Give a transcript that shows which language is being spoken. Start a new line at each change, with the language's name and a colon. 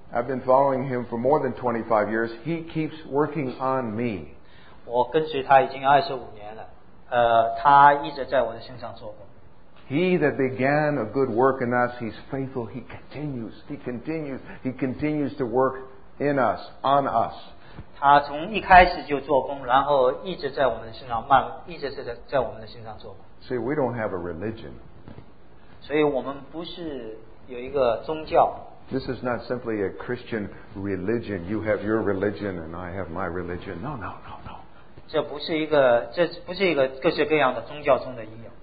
English: I've been following him for more than 25 years. He keeps working on me.
Chinese: 我跟随他已经25年了，他一直在我的身上做过。
English: He that began a good work in us, he's faithful. He continues. He continues. He continues to work in us, on us.
Chinese: 他从一开始就做工，然后一直在我们的身上做过。
English: See, we don't have a religion.
Chinese: 所以我们不是有一个宗教。
English: This is not simply a Christian religion. You have your religion and I have my religion. No, no, no, no.
Chinese: 这不是一个各式各样的宗教中的一样。